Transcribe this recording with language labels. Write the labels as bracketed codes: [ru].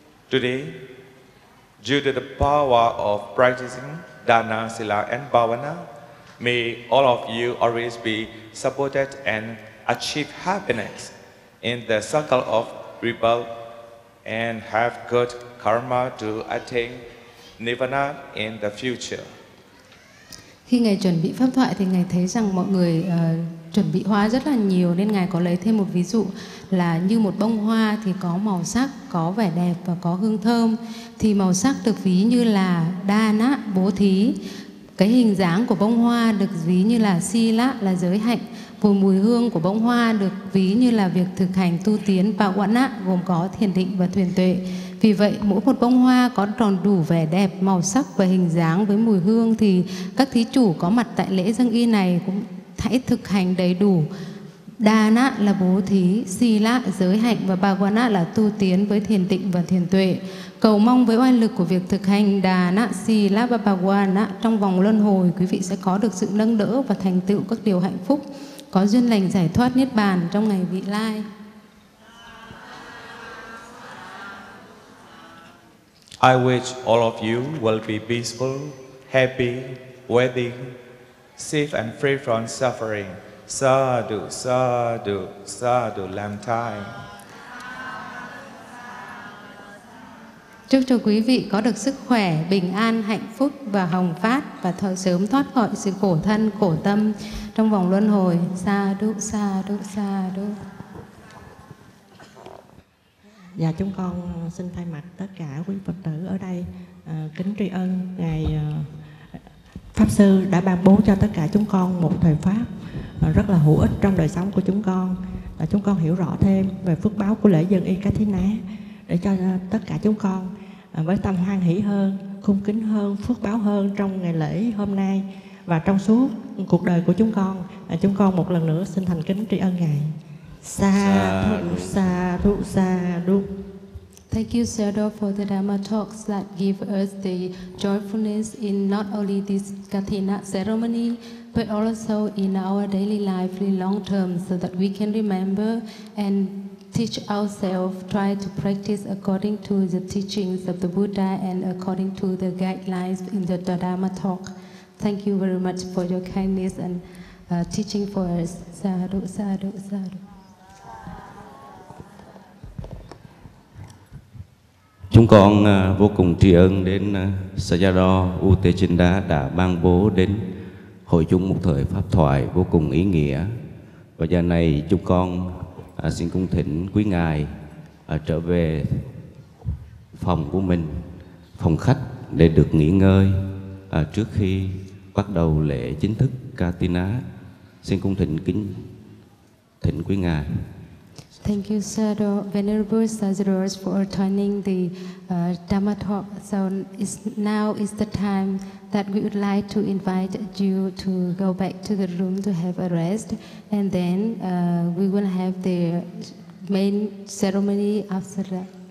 [en] Today, due to the power of practicing dana, sila, and bhavana, may all of you always be supported and achieve happiness in the circle of rebirth and have good karma to attain nirvana in the future. [vi] Khi Ngài chuẩn bị pháp thoại thì Ngài thấy rằng mọi người chuẩn bị hoa rất là nhiều, nên Ngài có lấy thêm một ví dụ là như một bông hoa thì có màu sắc, có vẻ đẹp và có hương thơm. Thì màu sắc được ví như là đa na, bố thí. Cái hình dáng của bông hoa được ví như là si la, là giới hạnh. Và mùi hương của bông hoa được ví như là việc thực hành tu tiến và quán á, gồm có thiền định và thuyền tuệ. Vì vậy, mỗi một bông hoa có tròn đủ vẻ đẹp, màu sắc và hình dáng với mùi hương thì các thí chủ có mặt tại lễ dâng y này cũng hãy thực hành đầy đủ. Đà na là bố thí, si la giới hạnh và bà quán á là tu tiến với thiền định và thiền tuệ. Cầu mong với oai lực của việc thực hành đà na si la và bà quán á trong vòng luân hồi, quý vị sẽ có được sự nâng đỡ và thành tựu các điều hạnh phúc, có duyên lành giải thoát Niết Bàn trong ngày vị lai. [en] I wish all of you will be peaceful, happy, wealthy, safe and free from suffering. [pi] Sadhu, sadhu, sadhu, lam thai. [vi] Chúc cho quý vị có được sức khỏe, bình an, hạnh phúc và hồng phát và sớm thoát khỏi sự khổ thân, khổ tâm trong vòng luân hồi. [pi] Sadhu, sadhu, sadhu. [vi] Dạ, chúng con xin thay mặt tất cả quý Phật tử ở đây kính tri ân Ngài Pháp Sư đã ban bố cho tất cả chúng con một thời pháp rất là hữu ích trong đời sống của chúng con. Chúng con hiểu rõ thêm về phước báo của lễ dâng y Ca Thí Na để cho tất cả chúng con với tâm hoan hỷ hơn, khung kính hơn, phước báo hơn trong ngày lễ hôm nay và trong suốt cuộc đời của chúng con. Chúng con một lần nữa xin thành kính tri ân Ngài. [pi] Sadhu, sadhu, sadhu. [en] Thank you, Sadhu, for the Dharma talks that give us the joyfulness in not only this Ca Thí Na ceremony, but also in our daily life in long term, so that we can remember and teach ourselves, try to practice according to the teachings of the Buddha and according to the guidelines in the Dharma talk. Thank you very much for your kindness and teaching for us. [pi] Sadhu, sadhu, sadhu. [vi] Chúng con vô cùng tri ân đến Sayadaw Utechinda đã ban bố đến hội chúng một thời pháp thoại vô cùng ý nghĩa. Và giờ này chúng con xin cung thỉnh quý Ngài trở về phòng của mình, phòng khách để được nghỉ ngơi trước khi bắt đầu lễ chính thức Ca Thí Na. Xin cung thỉnh kính thỉnh quý Ngài. [en] Thank you, Sadhu, Venerable Sadhu, for attending the Dharma talk. So now is the time that we would like to invite you to go back to the room to have a rest. And then we will have the main ceremony after that.